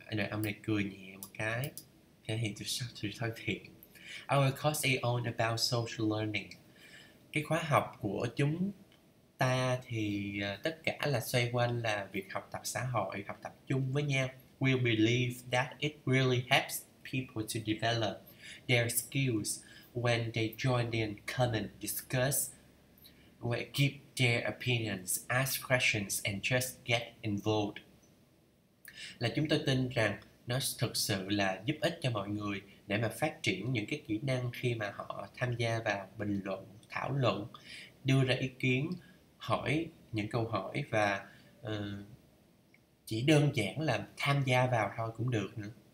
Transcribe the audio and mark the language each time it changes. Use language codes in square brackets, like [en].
[vi] Ông này cười nhẹ một cái, thể hiện sự thân thiện. [en] Our course is all about social learning. [vi] Cái khóa học của chúng ta thì tất cả là xoay quanh là việc học tập xã hội, học tập chung với nhau. [en] We believe that it really helps people to develop their skills when they join in, come and discuss, where give their opinions, ask questions and just get involved. [vi] Là chúng tôi tin rằng nó thực sự là giúp ích cho mọi người để mà phát triển những cái kỹ năng khi mà họ tham gia vào bình luận, thảo luận, đưa ra ý kiến, hỏi những câu hỏi, và chỉ đơn giản là tham gia vào thôi cũng được nữa.